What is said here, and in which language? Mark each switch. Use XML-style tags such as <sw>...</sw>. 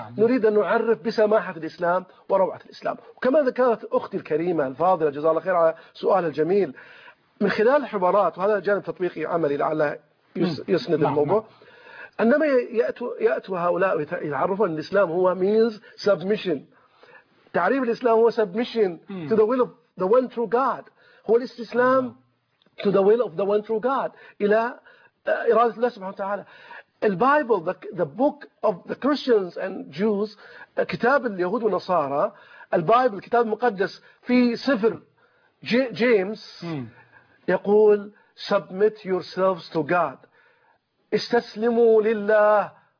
<ar>نريد أن نعرف بسماحة الإسلام وروعة الإسلام. وكما ذكرت أختي الكريمة الفاضلة جزاها الله خير على سؤال الجميل، من خلال الحبارات، وهذا جانب تطبيقي عملي لعله يسند الموضوع. عندما يأتوا هؤلاء ويتعرفون الإسلام هو</ar> <en>means submission.</en> <ar>تعريف الإسلام هو</ar> <en>submission to the will of the one true God.</en> <ar>هو الاستسلام</ar> <en>to the will of the one true God،</en> <ar>إلى إرادة الله سبحانه وتعالى. البايبل،</ar> <en>the book of the Christians and Jews،</en> <ar>كتاب اليهود والنصارى، البايبل الكتاب المقدس، في سفر جيمس يقول</ar> <en>submit yourselves to God،</en> <ar>استسلموا لله.</ar>